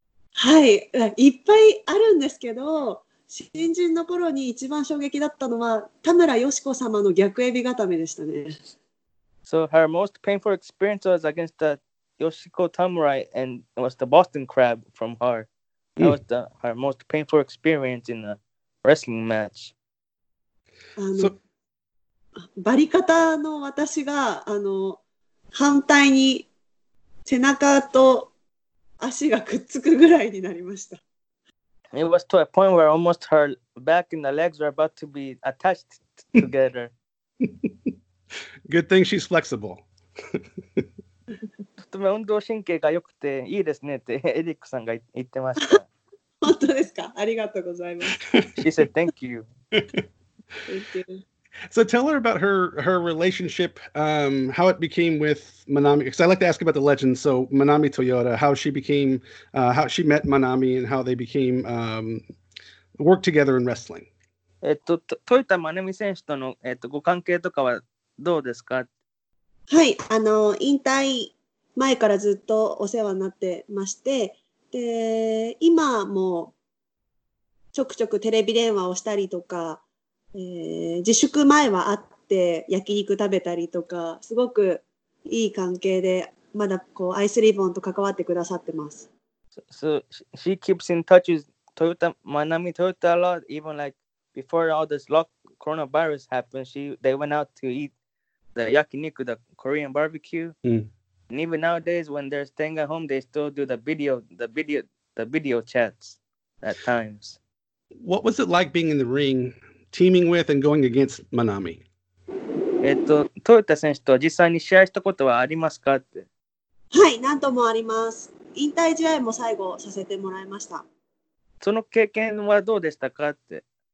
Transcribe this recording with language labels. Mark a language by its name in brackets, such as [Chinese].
[Japanese] はい、いっぱいあるんですけど、新人の頃に一番衝撃だったのは田村芳子様の逆エビ固めでしたね。 [English] So her most painful experience was against the Yoshiko Tamurai, and it was the Boston Crab from her. That was the, her most painful experience in a wrestling match. So, [Japanese] バリ方の私が反対に背中と足がくっつくぐらいになりました。 [English] It was to a point where almost her back and the legs were about to be attached together. Good thing she's flexible. [Japanese] とても運動神経が良くていいですねってエリックさんが言ってました。本当ですか？ありがとうございます。 [English] She said thank you. So tell her about her relationship, how it became with Manami. Because I like to ask about the legend. So Manami Toyota, how she became, how she met Manami, and how they became worked together in wrestling. [Japanese] Toyota Manami 選手とのご関係とかはどうですか？はい、引退前からずっとお世話になってまして、で今もちょくちょくテレビ電話をしたりとか。自粛前は会って焼肉食べたりとかすごくいい関係でまだこうアイスリボンと関わってくださってます。 [English] So she keeps in touch with Toyota Manami Toyota a lot, even like before all this coronavirus happened, they went out to eat the yakiniku, the Korean barbecue. And even nowadays when they're staying at home, they still do the video chats at times. What was it like being in the ring? Teaming with and going against Manami. [Japanese] トヨタ選手と実際に試合したことはありますかって。はい、何度もあります。引退試合も最後させてもらいました。その経験はどうでしたかって。